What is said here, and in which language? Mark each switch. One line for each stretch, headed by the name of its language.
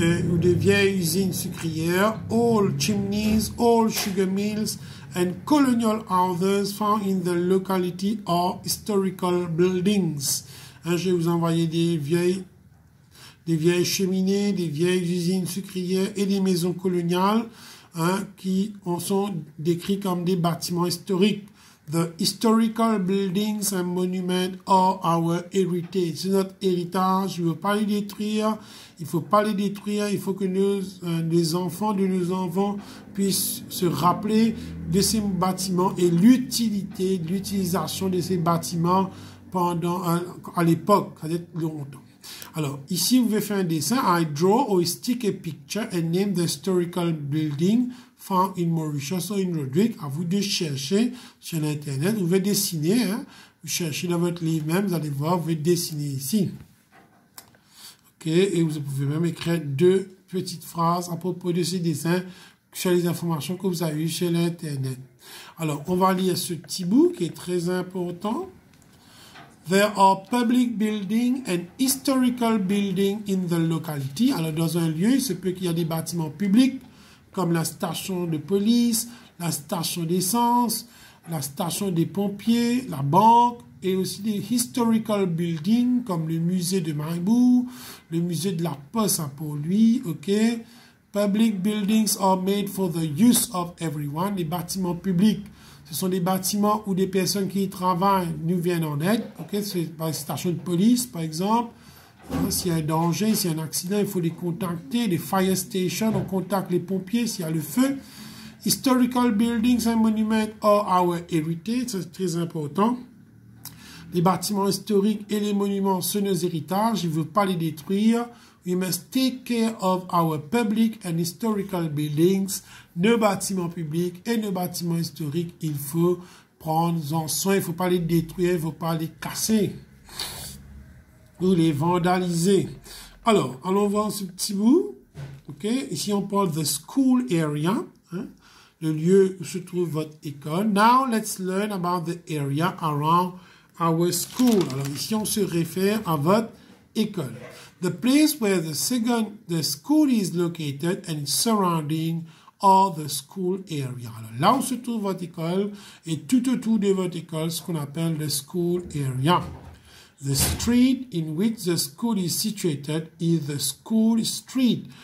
French: Ou des vieilles usines sucrières,
English: old chimneys, old sugar mills, and colonial houses found in the locality or historical buildings.
French: Hein, je vais vous envoyer des vieilles cheminées, des vieilles usines sucrières et des maisons coloniales, hein, qui sont décrits comme des bâtiments historiques.
English: the historical buildings and monuments are our heritage.
French: C'est notre héritage. Il ne faut pas les détruire. Il ne faut pas les détruire. Il faut que nous, les enfants de nos enfants puissent se rappeler de ces bâtiments et l'utilité, l'utilisation de ces bâtiments pendant, à l'époque, peut-être longtemps. Alors, ici, vous pouvez faire un dessin.
English: I draw or stick a picture and name the historical building found in Mauritius or in Rodrigue.
French: À vous de chercher sur l'Internet. Vous pouvez dessiner. Hein? Vous cherchez dans votre livre même. Vous allez voir. Vous pouvez dessiner ici. OK. Et vous pouvez même écrire deux petites phrases à propos de ce dessin sur les informations que vous avez eues sur l'Internet. Alors, on va lire ce petit bout qui est très important.
English: There are public buildings and historical buildings in the locality.
French: Alors, dans un lieu, il se peut qu'il y a des bâtiments publics, comme la station de police, la station d'essence, la station des pompiers, la banque, et aussi des historical buildings, comme le musée de Maribourg, le musée de la Poste hein, pour lui, OK.
English: Public buildings are made for the use of everyone.
French: Les bâtiments publics. Ce sont des bâtiments où des personnes qui y travaillent nous viennent en aide. Okay? C'est par une station de police, par exemple. S'il y a un danger, s'il y a un accident, il faut les contacter. Les fire stations, on contacte les pompiers s'il y a le feu.
English: Historical buildings and monuments are our heritage.
French: C'est très important. Les bâtiments historiques et les monuments sont nos héritages. Je ne veux pas les détruire.
English: We must take care of our public and historical buildings.
French: Nos bâtiments publics et nos bâtiments historiques, il faut prendre en soin. Il ne faut pas les détruire, il ne faut pas les casser ou les vandaliser. Alors, allons voir ce petit bout. Okay. Ici, on parle de school area, hein, le lieu où se trouve votre école.
English: Now, let's learn about the area around our school.
French: Alors, ici, on se réfère à votre école.
English: The place where the school is located and its surrounding or the school area.
French: Alors, là où se trouve votre école et tout autour de votre école, ce qu'on appelle the school area.
English: The street in which the school is situated is the school street.